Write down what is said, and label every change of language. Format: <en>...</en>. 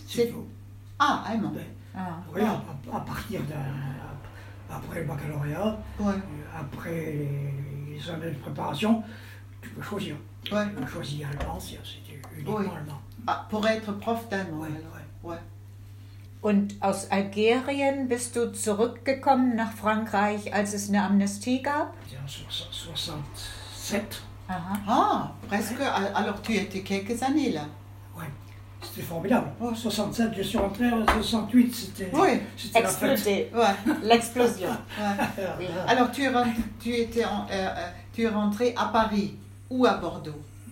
<fr>c'est... Ah, allemand. Ben, ah. Oui, à partir d'un... Après le baccalauréat, ouais. Après les années de préparation, tu peux choisir. Ouais. Tu peux choisir allemand, c'était uniquement ouais. Allemand. Ah, pour être prof d'allemand. Ouais, ouais. Ouais.</fr> <de>Und aus Algerien bist du zurückgekommen nach Frankreich, als es eine Amnestie gab? Ja, 67.</de> <fr>Aha. Ah, presque. Ouais. Alors tu étais quelques années là. Oui, c'était formidable. Oh, 67, je suis rentré, 68, c'était. Oui, c'était explosé. La fête. Ouais. L'explosion. Ouais. Ouais. Alors tu es rentré à Paris ou à Bordeaux?</fr>